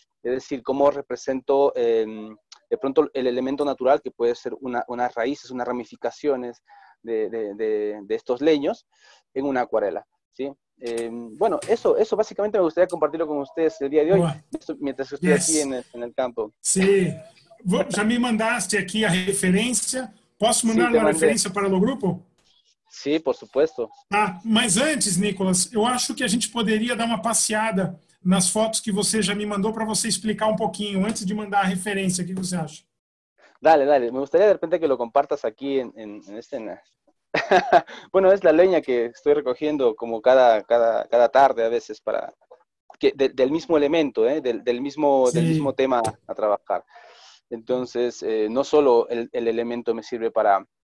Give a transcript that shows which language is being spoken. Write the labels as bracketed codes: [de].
[es] Es decir, cómo represento... de pronto el elemento natural, que puede ser unas raíces, unas ramificaciones de estos leños en una acuarela, ¿sí? Bueno, eso básicamente me gustaría compartirlo con ustedes el día de hoy, mientras estoy aquí en el campo. Sí, ya me mandaste aquí la referencia. ¿Puedo mandar la referencia para el grupo? Sí, por supuesto. [pt] Ah, mas antes, Nicolas, yo acho que a gente [es] podría dar una paseada [pt] nas fotos que você já me mandou, para você explicar um pouquinho, antes de mandar a referência. O que você acha? [es] Dale, me gustaría de repente que lo compartas aqui en este... bueno, es la leña que estoy recogiendo como cada tarde a veces para... Que del mismo elemento, del mismo tema a trabajar. Entonces, no solo el elemento me sirve para...